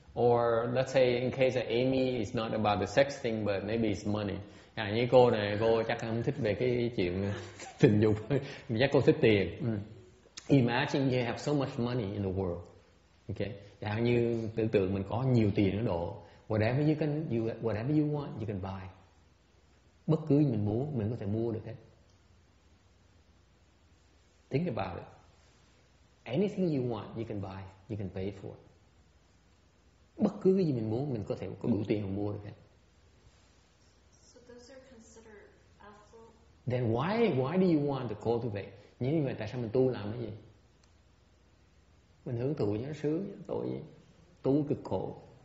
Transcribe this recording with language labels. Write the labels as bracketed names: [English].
[English] Or let's say in case that Amy is not about the sex thing, but maybe it's money. [Vietnamese] À, như cô này, cô chắc không thích về cái chuyện tình dục, chắc cô thích tiền. [English] Imagine you have so much money in the world. Okay. [Vietnamese] Chẳng như tưởng tượng mình có nhiều tiền ở độ. [English] Whatever you want, you can buy. [Vietnamese] Bất cứ mình muốn, mình có thể mua được hết. [English] Think about it. Anything you want, you can buy, you can pay for. Bất cứ cái gì mình muốn, mình có thể có đủ tiền mà mua được hết. So those are considered affluent. Then why do you want to cultivate? [Vietnamese] Như vậy tại sao mình tu làm cái gì? Mình hưởng thụ cho nó sướng, tội gì? Tu cực khổ.